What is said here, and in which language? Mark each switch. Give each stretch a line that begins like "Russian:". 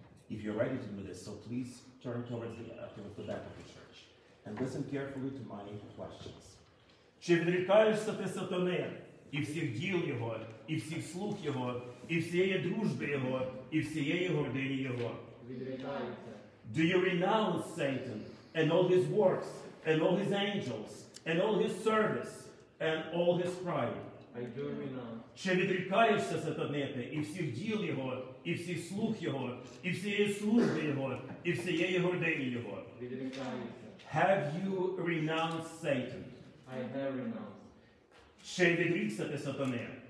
English: If you're ready to do this, so please turn towards the back of the church and listen carefully to my questions.
Ukrainian: Чи відрікаєшся ти сатани і всіх діл його, і всіх слуг його, і всієї дружби його, і всієї гордині його? Відрікаюся.
English: Do you renounce Satan and all his works and all his angels and all his service and all his pride? I do renounce.
Ukrainian: Чи відрікаєшся сатани ти і всіх діл його, і всіх слуг його, і всієї служби його, і всієї гордині його? Відрікаюся.
English: Have you renounced Satan? I have renounced.
Ukrainian: Чи відрікся ти сатани?